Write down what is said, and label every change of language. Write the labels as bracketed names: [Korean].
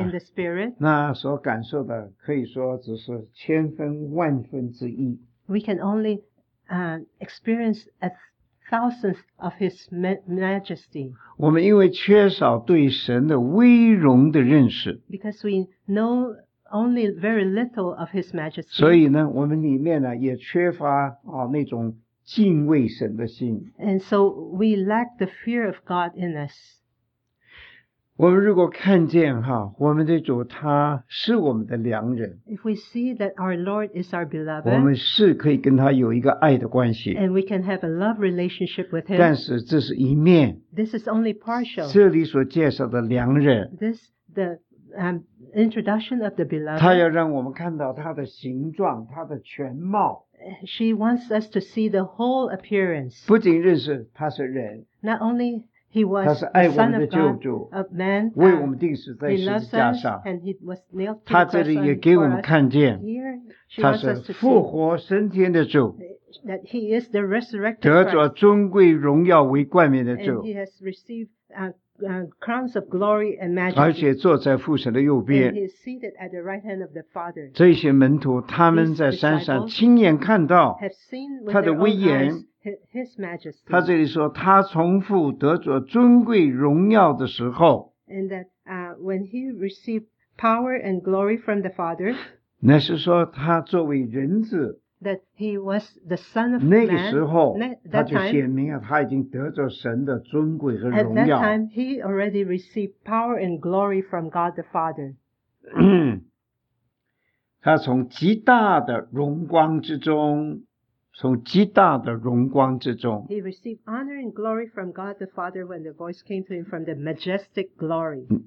[English] In the spirit. [Chinese] 那所感受的可以说只是千分万分之一。 [English] We can only experience a thousandth of his majesty. [Chinese] 我们因为缺少对神的威容的认识。 [English] Because we know only very little of his majesty. [Chinese] 所以呢，我们里面呢也缺乏啊那种敬畏神的心。 [English] And so we lack the fear of God in us. [Chinese] 我们如果看见哈，我们的主他是我们的良人。 [English] If we see that our Lord is our beloved, [Chinese] 我们是可以跟他有一个爱的关系。 [English] And we can have a love relationship with him. [Chinese] 但是这是一面。 [English] This is only partial. [Chinese] 这里所介绍的良人。 [English] This the introduction of the beloved. [Chinese] 他要让我们看到他的形状，他的全貌。 [English] She wants us to see the whole appearance. [Chinese] 不仅认识他是人。 [English] Not only he was the Son of God, a man. [Chinese] 为我们钉死在十字架上。 [English] And he was nailed to the cross. [Chinese] 他这里也给我们看见，他是复活升天的主。 [English] That he is the resurrected Christ. [Chinese] 得着尊贵荣耀为冠冕的主。 [English] And he has received crowns of glory and majesty. [Chinese] 而且坐在父神的右边。 [English] And he is seated at the right hand of the Father. [Chinese] 这些门徒他们在山上亲眼看到他的威严。 [English] His majesty. [Chinese] 他这里说他从父得着尊贵荣耀的时候。 [English] And that when he received power and glory from the Father. [Chinese] 那是说他作为人子。 [English] That he was the son of [Chinese] man. 那个时候 [English] that time, [Chinese] 他就显明了他已经得着神的尊贵和荣耀。 [English] At that time, he already received power and glory from God the Father. [Chinese] 他从极大的荣光之中，从极大的荣光之中。 [English] He received honor and glory from God the Father when the voice came to him from the majestic glory.